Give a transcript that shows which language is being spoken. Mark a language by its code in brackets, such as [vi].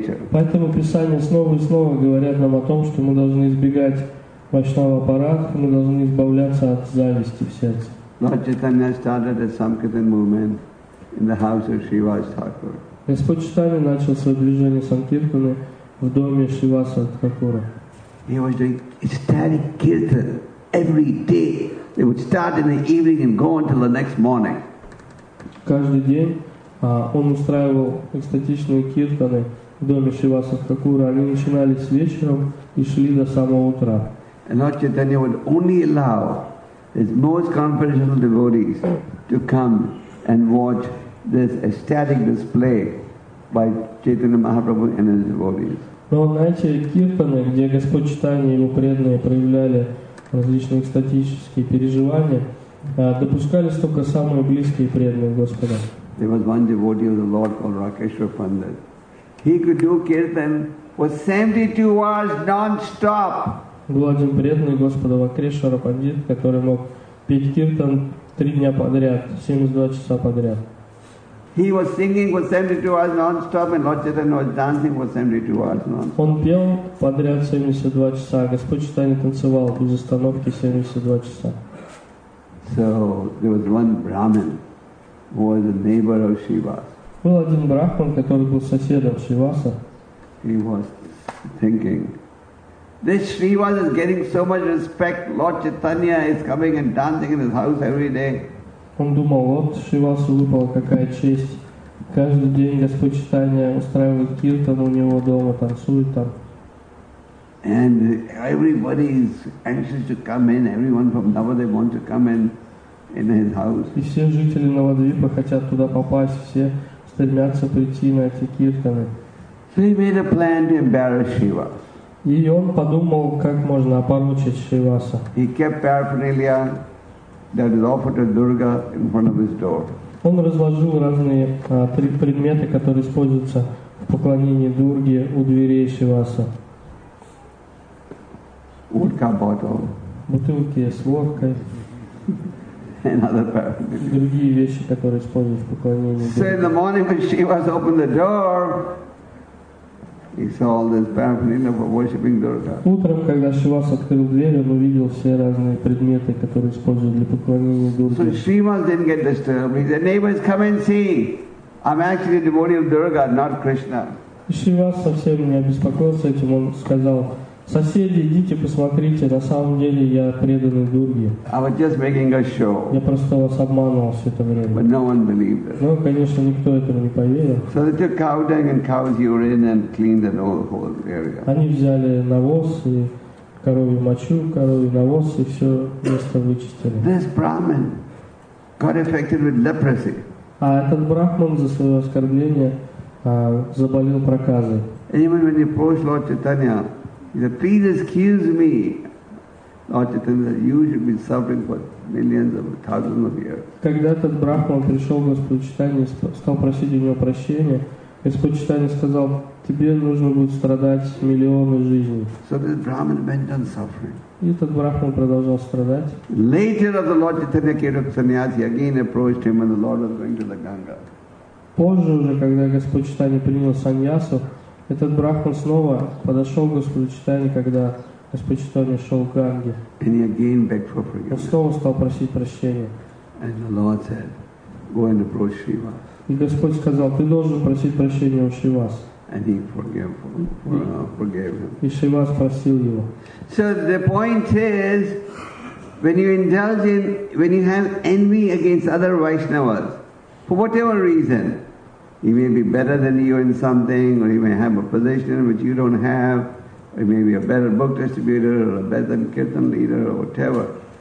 [ru] Поэтому Писания снова и снова говорят нам о том, что мы должны избегать вайшнава парадх, мы должны избавляться от зависти в сердце. [en] Lord Chaitanya started a Sankirtan movement in the house of Shrivas Thakur. [ru] Господь Читания начал свое движение Санкиртаны в доме Шриваса Тхакура. [en] He was doing ecstatic kirtan every day. It would start in the evening and go until the next morning. [ru] Каждый день он устраивал экстатичные киртаны в доме Шриваса Тхакура. Они начинались вечером и шли до самого утра. [en] And Lord Chaitanya would only allow his most confidential devotees to come and watch this ecstatic display by Chaitanya Mahaprabhu and his devotees. [ru] Но он начал киртаны, где Господь Читания и его преданные проявляли различные экстатические переживания, допускались только самые близкие преданные Господа. [en] There was one devotee of the Lord called Rakeshwar Pandit. He could do kirtan for 72 hours non-stop. [ru] Был один преданный Господа Вакрешвара Пандит, который мог петь киртан 3 дня подряд, 72 часа подряд. [en] He was singing for 72 hours non-stop, and Lord Chaitanya was dancing for 72 hours non-stop. [ru] Он пел подряд 72 часа, Господь Читания танцевал без остановки 72 часа. [en] So there was one Brahmin who was a neighbor of Shivas. [ru] Был один брахман, который был соседом Шиваса. [en] He was thinking, this Shrivas is getting so much respect. Lord Chaitanya is coming and dancing in his house every day. [ru] Он думал, вот Шривасу выпала какая честь. Каждый день Господь Читания устраивает киртан у него дома, танцует там. [en] And everybody is anxious to come in. Everyone from Navadvipa wants to come in his house. [ru] И все жители Навадвипа хотят туда попасть. Все стремятся прийти на эти киртаны. [en] So he made a plan to embarrass Shiva. [ru] И он подумал, как можно опорочить Шриваса. [en] He kept paraphernalia that is offered to Durga in front of his door. [ru] Он разложил разные три предмета, которые используются в поклонении Дурге у дверей Шиваса. [en] Водка bottle. [ru] Бутылки с водкой. [en] Another paraphernalia. [ru] Другие вещи, которые используют в поклонении Дурге. [en] So in the morning when Shivas opened the door, he saw all this paraphernalia for worshiping Durga. [ru] Утром, когда Шивас открыл дверь, он увидел все разные предметы, которые используют для поклонения Дурге. [en] So Шивас didn't get disturbed. He said, "Neighbors, come and see. I'm actually a devotee of Durga, not Krishna." [ru] Шивас совсем не обеспокоился этим. Он сказал: "Соседи, идите посмотрите. На самом деле я преданный Дурге." [en] I was just making a show. [ru] Я просто вас обманывал все это время. [en] But no one believed it. [ru] Но, конечно, никто этого не поверил. [en] So they took cow dung and cow's urine and cleaned the whole area. [ru] Они взяли навоз и коровью мочу, коровью навоз и все место вычистили. [en] This Brahmin got affected with leprosy. [ru] А этот брахман за свое оскорбление заболел проказой. [en] Even when he approached Lord Chaitanya, he said, "Please excuse me, Lord Chaitanya, you should be suffering for millions of thousands of years." [ru] Когда этот брахман пришел к Господу Читания, стал просить у него прощения, Господь Читания сказал, тебе нужно будет страдать миллионы жизней. [en] So this Brahman went on suffering. [ru] И этот брахман продолжал страдать. [en] Later, as the Lord Chaitanya came to sannyasi, again approached him, and the Lord was going to the Ganga. [ru] Позже уже, когда Господь Читания принял саньясу, этот брахман снова подошел к Господу Читания, когда Господь Читания шел к Ганге. [en] And he again begged for forgiveness. [ru] Он снова стал просить прощения. [en] And the Lord said, "Go and approach Shiva." [ru] И Господь сказал, ты должен просить прощения у Шивас. [en] And he forgave him. [ru] И Шивас простил его. [en] So the point is, when you indulge in, when you have envy against other Vaishnavas, for whatever reason, he may be better than you in something, or he may have a position which you don't have, or he may be a better book distributor, or a better kirtan leader, or whatever.